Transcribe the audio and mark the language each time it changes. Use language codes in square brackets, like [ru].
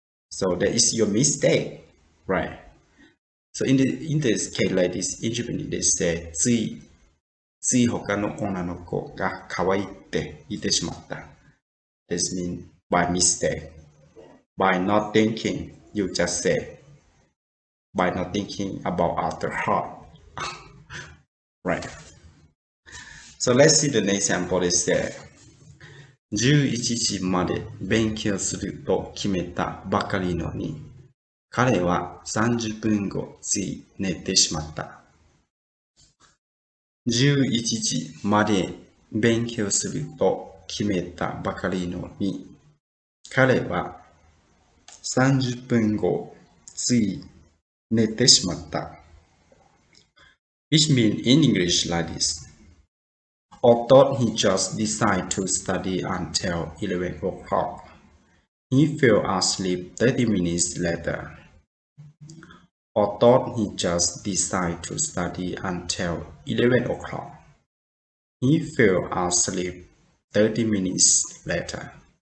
[en] So that is your mistake, right? So in this case like this, in Japan, they say, [ja] つい他の女の子が可愛いって言ってしまった。 [en] This means by mistake. By not thinking, you just say,by not thinking about other heart, right? So let's see the next example is there. [ja] 11時まで勉強すると決めたばかりのに、彼は30分後つい寝てしまった。 11時まで勉強すると決めたばかりのに、彼は30分後つい寝てしまった [en] Which means in English like this Although he just decided to study until 11 o'clock He fell asleep 30 minutes later Although he just decided to study until 11 o'clock He fell asleep 30 minutes later